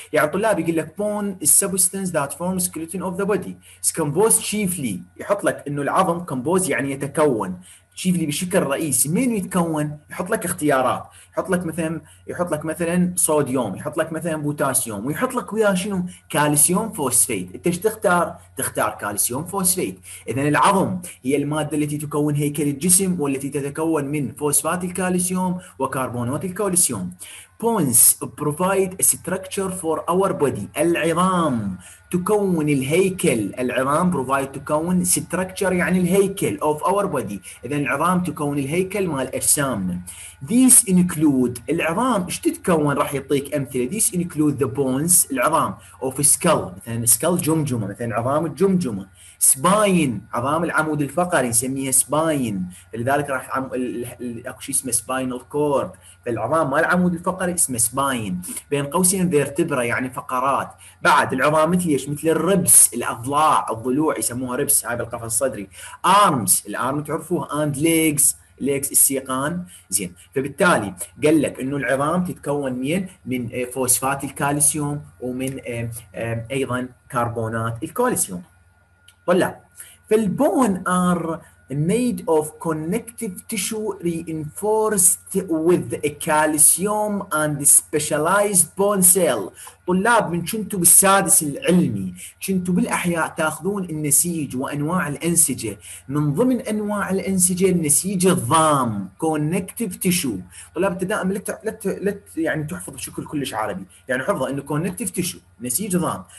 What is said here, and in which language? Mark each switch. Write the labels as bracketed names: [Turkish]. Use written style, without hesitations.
[Arabic] يعني طلاب يقول لك بون السبستنس ذات فورم سكيلتون اوف ذا بودي كومبوز تشيفلي، يحط لك انه العظم كومبوز يعني يتكون شيفلي بشكل رئيسي، مين يتكون؟ يحط لك اختيارات، يحط لك مثلا صوديوم، يحط لك مثلا بوتاسيوم، ويحط لك وياه شنو؟ كالسيوم فوسفيت. انت ايش تختار؟ تختار كالسيوم فوسفيت. اذا العظم هي الماده التي تكون هيكل الجسم، والتي تتكون من فوسفات الكالسيوم وكربونات الكالسيوم. [English] Bones provide a structure for our body. [Arabic] العظام تكون الهيكل. العظام provide تكون structure يعني الهيكل [English] of our body. [Arabic] إذن العظام تكون الهيكل مع الأجسام. [English] These include [Arabic] العظام إيش تتكون؟ راح يعطيك أمثلة. [English] These include the bones العظام of skull مثلاً skull [Arabic] جمجمة مثلاً عظام الجمجمة. Spine عظام العمود الفقري نسميها spine، لذلك راح أكو شيء اسمه spinal cord، فالعظام ما العمود الفقري اسمه spine. بين قوسين vertebra يعني فقرات. بعد العظام مثل إيش؟ مثل الربس، الأضلاع، الضلوع يسموها ربس هاي بالقفص الصدري. arms الأرم تعرفوها، [English] and legs [Arabic] ليكس السيقان. زين، فبالتالي قال لك انه العظام تتكون من فوسفات الكالسيوم ومن ايضا كربونات الكالسيوم. طلع، فالبون ار [English] made of connective tissue reinforced with calcium and specialized bone cell. [Arabic] طلاب من كنتوا بالسادس العلمي كنتوا بالاحياء تاخذون النسيج وانواع الانسجه، من ضمن انواع الانسجه النسيج الضام connective tissue. طلاب انت دائما يعني تحفظ بشكل كلش عربي، يعني حفظه انه connective tissue نسيج ضام.